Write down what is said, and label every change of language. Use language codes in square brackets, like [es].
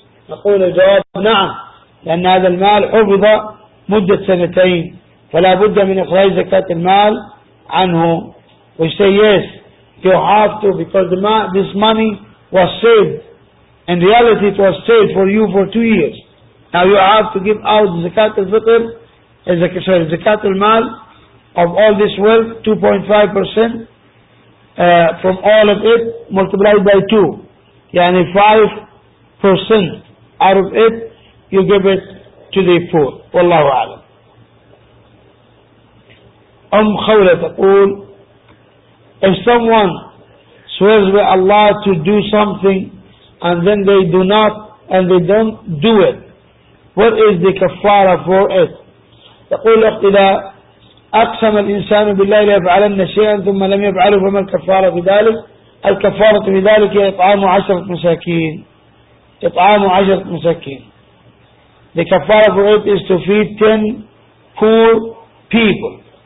[ar] نقول الجواب نعم لأن هذا المال حفظ مدة سنتين فلا بد من إخراج زكاة المال عنه ويسيس [en] You have to because this money was saved. In reality, it was saved for you for 2 years. Now you have to give out zakat al-fitr, zakat al-mal of all this wealth, 2.5% from all of it, multiplied by two. Yani 5% out of it, you give it to the poor. Wallahu a'lam. Khawla taqul. If someone swears by Allah to do something and then they do not and they don't do it, what is the kafara for it? [ar] يقول إذا أقسم الإنسان بالله ليفعلن شيئا ثم لم يفعله فما الكفارة بذلك؟ الكفارة بذلك إطعام 10 مساكين. إطعام 10 مساكين. [en] The kafara for it is to feed 10 poor people.